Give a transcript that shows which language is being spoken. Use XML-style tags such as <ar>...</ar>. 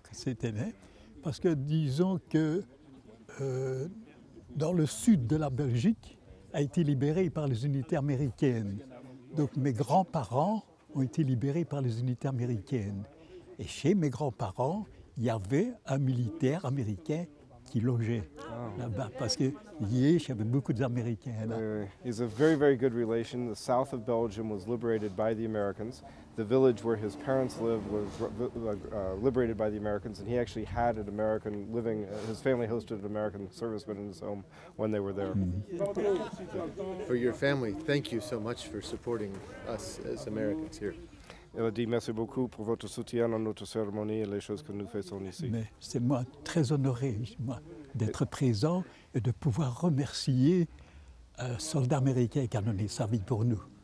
<fr>C'était bien, parce que disons que dans le sud de la Belgique a été libéré par les unités américaines. Donc mes grands-parents ont été libérés par les unités américaines. Et chez mes grands-parents, il y avait un militaire américain qui logeait là-bas, parce que il y avait beaucoup d'Américains là.</fr> <en>It's a very, very good relation. The south of Belgium was liberated by the Americans. The village where his parents lived was liberated by the Americans, and he actually had an American living. His family hosted an American serviceman in his home when they were there. For your family, thank you so much for supporting us as Americans here.</en> <fr>Elle a dit merci beaucoup pour votre soutien à notre cérémonie et les choses que nous faisons ici. Mais c'est moi très honoré moi, d'être présent et de pouvoir remercier un soldat américain qui a donné sa vie pour nous.</fr>